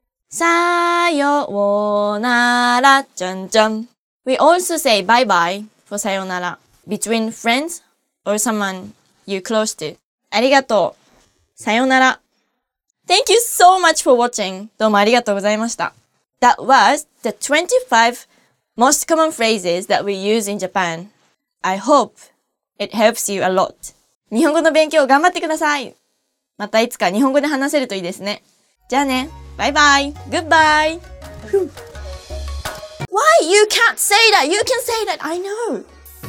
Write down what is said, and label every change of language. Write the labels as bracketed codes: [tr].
[ja] さようなら。じゃんじゃん。 [en] We also say bye-bye for さようなら between friends or someone you're close to. [ja] ありがとう。さようなら。 [en] Thank you so much for watching. [ja] どうもありがとうございました。 [en] That was the 25 most common phrases that we use in Japan. I hope it helps you a lot. [ja] 日本語の勉強を頑張ってください。またいつか日本語で話せるといいですね。じゃあね。バイバイ。 [en] Goodbye. Why? You can't say that. You can say that. I know.